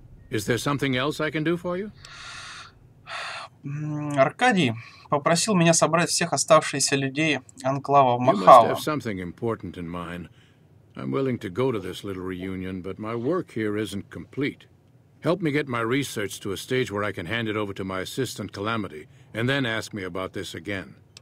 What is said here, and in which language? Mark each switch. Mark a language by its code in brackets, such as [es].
[en] Is there something else I can do for you? [ru] Аркадий попросил меня собрать всех оставшихся людей анклава в Махао. [en] You must have something important in mind. I'm willing to go to this little reunion, but my work here isn't complete. Help me get my research to a stage where I can hand it over to my assistant Calamity, and then ask me about this again.